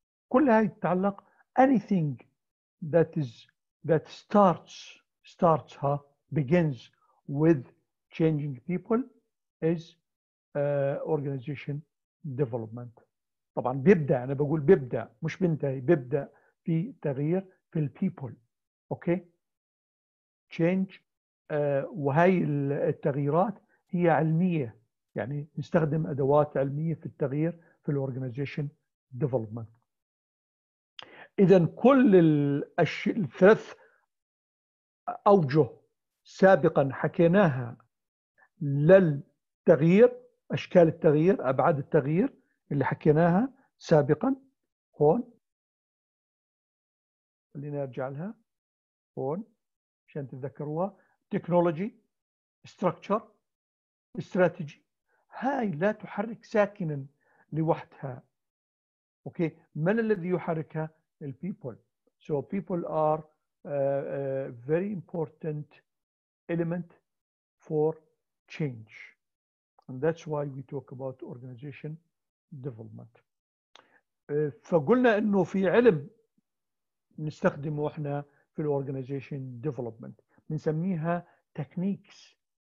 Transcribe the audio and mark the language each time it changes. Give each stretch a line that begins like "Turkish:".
Arabic: كل هاي تتعلق
English: anything that starts ها begins with changing people is organization development.
Arabic: طبعا بيبدأ، أنا بقول بيبدأ مش بنتهي، بيبدأ في تغيير في ال people. okay change وهي التغييرات هي علمية، يعني نستخدم أدوات علمية في التغيير في ال organization development. إذن كل الثلاث أوجه سابقاً حكيناها للتغيير، أشكال التغيير، أبعاد التغيير اللي حكيناها سابقاً هون، خلينا أرجع لها هون عشان تتذكروها. تكنولوجي، ستركتشر، استراتيجي، هاي لا تحرك ساكناً لوحدها. أوكي من الذي يحركها؟ people.
English: So people are a very important element for change. And that's why we talk about organization development.
Arabic: فقلنا انه في علم نستخدمه احنا في organization development. بنسميها techniques.